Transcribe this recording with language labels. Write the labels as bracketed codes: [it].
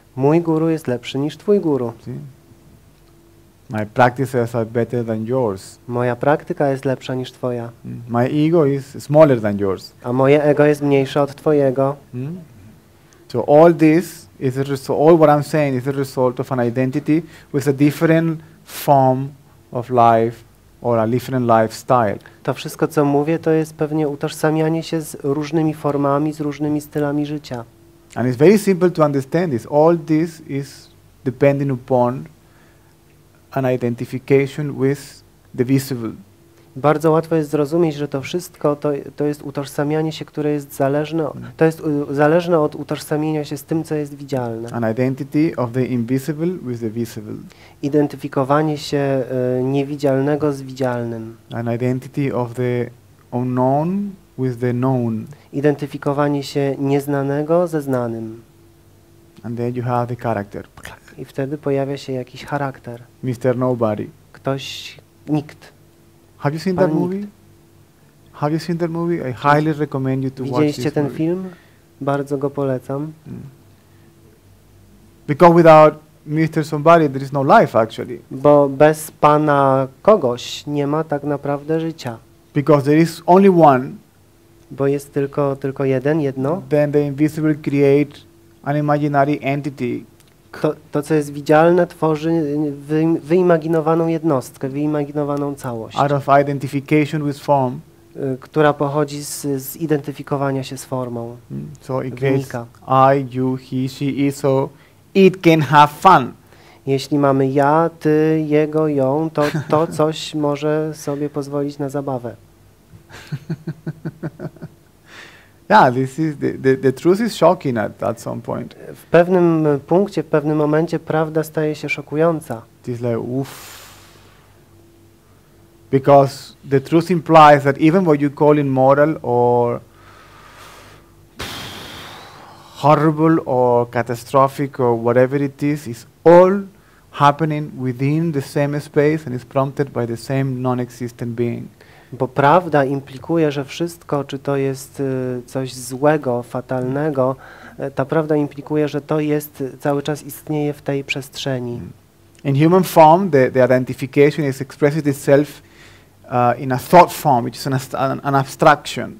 [pl] Mój guru jest lepszy niż twój guru. [en] My practices are better than yours. [pl] Moja praktyka jest lepsza niż twoja. [en] My ego is smaller than yours. [pl] A moje ego jest mniejsze od twojego. [en] So all this is a result, all what I'm saying is a result of an identity with a different form of life or a different lifestyle. [pl] To wszystko, co mówię, to jest pewnie utożsamianie się z różnymi formami, z różnymi stylami życia. [en] And it's very simple to understand this. All this is depending upon an identification with the visible. [pl] Bardzo łatwo jest zrozumieć, że to wszystko to jest utożsamianie się, które jest zależne. To jest zależne od utożsamienia się z tym, co jest widzialne. [en] An identity of the invisible with the visible. [pl] Identyfikowanie się niewidzialnego z widzialnym. [en] An identity of the unknown with the known. [pl] Identyfikowanie się nieznanego ze znanym. [en] And then you have the character. [pl] I wtedy pojawia się jakiś charakter. [en] Mr. Nobody. [pl] Ktoś, nikt. [en] Have you seen that movie? Have you seen that movie? I highly recommend you to watch this. [pl] Widzieliście ten [en] movie. [pl] Film? Bardzo go polecam. [en] Because without Mr. Somebody, there is no life actually. [pl] Bo bez pana kogoś nie ma tak naprawdę życia. [en] Because there is only one. [pl] Bo jest tylko jeden, jedno. [en] Then the invisible create an imaginary entity. [pl] To, co jest widzialne, tworzy wyimaginowaną jednostkę, wyimaginowaną całość. [en] Out of identification with form. [pl] Która pochodzi z identyfikowania się z formą. [en] So it [pl] wynika. [en] I, you, he, she, he, so it can have fun. [pl] Jeśli mamy ja, ty, jego, ją, to coś może sobie pozwolić na zabawę. [en] Yeah, this is the truth is shocking at some point. [pl] W pewnym punkcie, w pewnym momencie prawda staje się szokująca. [en] It's like, oof. Because the truth implies that even what you call immoral or horrible or catastrophic or whatever it is all happening within the same space and is prompted by the same non-existent being. [pl] Bo prawda implikuje, że wszystko, czy to jest coś złego, fatalnego, ta prawda implikuje, że to jest cały czas istnieje w tej przestrzeni. [en] In human form, the identification is expresses itself in a thought form, which is an abstraction.